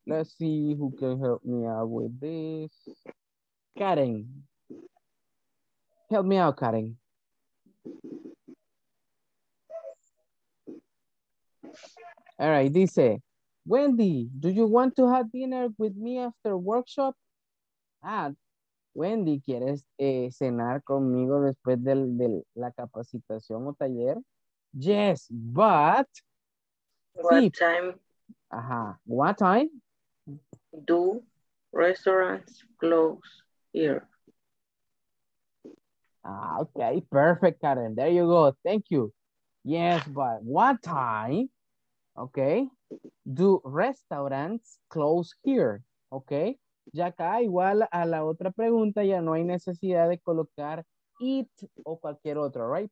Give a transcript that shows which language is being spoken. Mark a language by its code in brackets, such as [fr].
[en] Let's see who can help me out with this. Karen. Help me out, Karen. All right, dice, Wendy, do you want to have dinner with me after workshop? [es] Ah, Wendy, ¿quieres cenar conmigo después de la capacitación o taller? [en] Yes, but... What time do restaurants close here? Okay, perfect, Karen. There you go. Thank you. Yes, but what time, okay, do restaurants close here? [es] Okay, ya acá igual a la otra pregunta ya no hay necesidad de colocar it o cualquier otro, right?